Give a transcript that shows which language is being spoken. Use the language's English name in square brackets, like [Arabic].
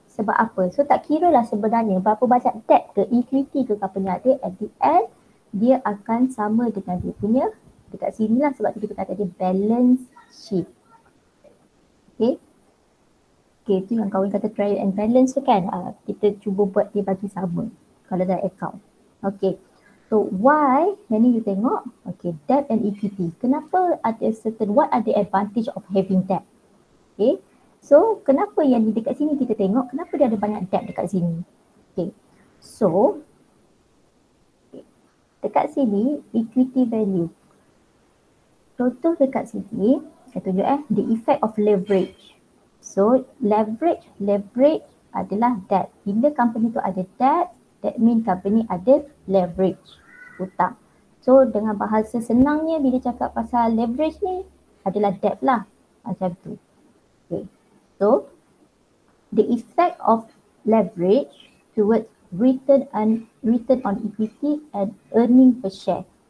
[Malay] Sebab apa? So tak kira lah sebenarnya berapa banyak debt ke equity ke company ada, [English] at the end [Malay] dia akan sama dengan dia punya dekat sini lah, sebab kita kata dia balance sheet. Okay. Okay, tu yang kawan kata trial and balance tu kan. Kita cuba buat dia bagi sama kalau dah account. Okay. So why? Yang ni you tengok. [English] Okay, debt and equity. [Malay] Kenapa ada [English] certain, what are the advantage of having debt? Okay. [Malay] So kenapa yang ni dekat sini kita tengok, kenapa dia ada banyak debt dekat sini? [English] Okay. So dekat sini equity value. [Malay] Contoh dekat sini, saya tunjuk [English] the effect of leverage. [Malay] So leverage adalah debt. Bila company tu ada debt, [English] that mean [Malay] company ada leverage, hutang. So dengan bahasa senangnya, bila cakap pasal leverage ni adalah debt lah, macam tu. [English] Okay. So the effect of leverage towards return on equity and earning per share.